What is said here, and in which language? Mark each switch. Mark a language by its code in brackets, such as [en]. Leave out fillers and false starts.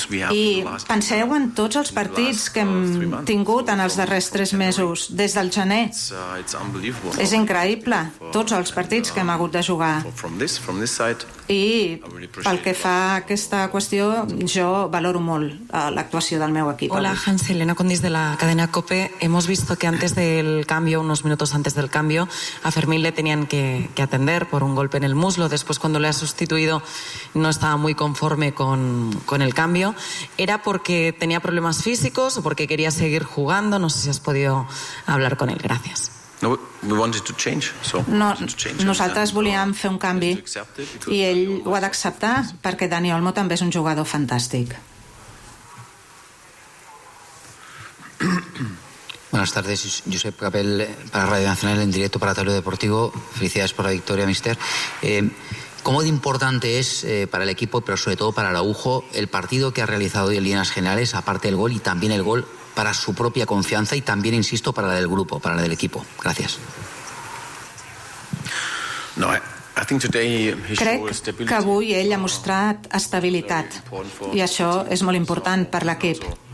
[ca] I penseu en tots els partits que hem tingut en els darrers 3 mesos, des del gener. És increïble, tots els partits que hem hagut de jugar. I pel que fa a aquesta qüestió, jo valoro molt l'actuació del meu equip. [es] Hola, Hans, Elena Condis de la cadena COPE. Hemos visto que antes del cambio, unos minutos antes del cambio, a Fermín le tenían que atender por un golpe en el muslo. Después, cuando le ha sustituido, no estaba muy conforme con el cambio. ¿Era porque tenía problemas físicos o porque quería seguir jugando? No sé si has podido hablar con él. Gracias. [ca] No, nosaltres volíem fer un canvi, i ell ho ha d'acceptar, perquè Dani Olmo també és un jugador fantàstic. [es] Buenas tardes, Josep Capel para Radio Nacional, en directo para Tablo Deportivo. Felicidades por la victoria, mister. ¿Cómo de importante es para el equipo, pero sobre todo para Araujo, el partido que ha realizado hoy en líneas generales, aparte del gol, y también el gol para su propia confianza, y también, insisto, para la del grupo, para la del equipo? Gracias. [en] No, I think today [ca] crec que avui ell ha mostrat estabilitat, i això és molt important per l'equip.